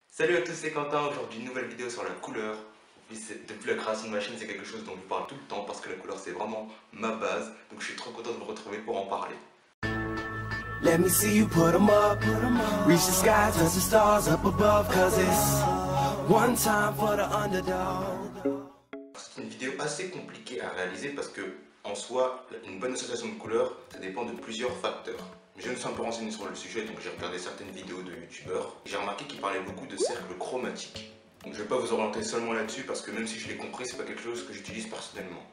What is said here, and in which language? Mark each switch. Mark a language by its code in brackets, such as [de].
[fr] Salut à tous, c'est Quentin, aujourd'hui une nouvelle vidéo sur la couleur. Depuis la création de ma chaîne, c'est quelque chose dont je parle tout le temps parce que la couleur c'est vraiment ma base. Donc je suis trop content de vous retrouver pour en parler. [en] Let me see you put 'em up, reach the sky, touch the stars up above, cause it's one time for the underdog. [fr] C'est une vidéo assez compliquée à réaliser parce que en soi, une bonne association de couleurs, ça dépend de plusieurs facteurs. Je me suis un peu renseigné sur le sujet, donc j'ai regardé certaines vidéos de youtubeurs. J'ai remarqué qu'ils parlaient beaucoup de cercles chromatiques. Donc je vais pas vous orienter seulement là-dessus, parce que même si je l'ai compris, c'est pas quelque chose que j'utilise personnellement.